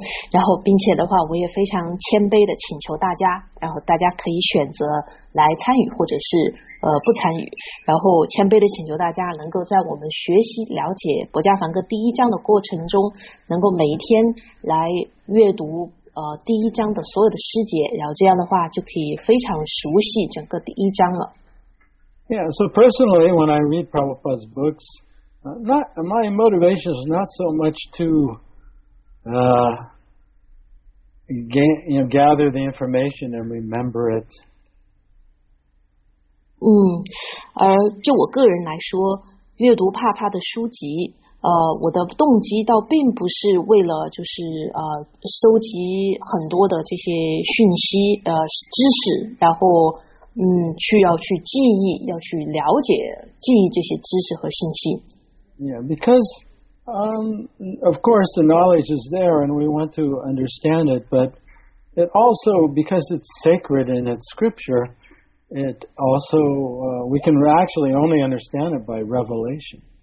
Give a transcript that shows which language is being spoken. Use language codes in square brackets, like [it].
[zh] 然后并且的话，我也非常谦卑的请求大家，然后大家可以选择来参与或者是不参与，然后谦卑的请求大家能够在我们学习了解薄伽梵歌第一章的过程中，能够每一天来阅读第一章的所有的诗节，然后这样的话就可以非常熟悉整个第一章了。 [en] Yeah, so personally, when I read Prabhupada's books, my motivation is not so much to gather the information and remember it. [zh] 而就我个人来说，阅读帕帕的书籍。我的动机倒并不是为了就是收集很多的这些讯息知识，然后需要去记忆，要去了解记忆这些知识和信息。 [en] Yeah, because of course the knowledge is there and we want to understand it, but it also because it's sacred and it's scripture, it also we can actually only understand it by revelation.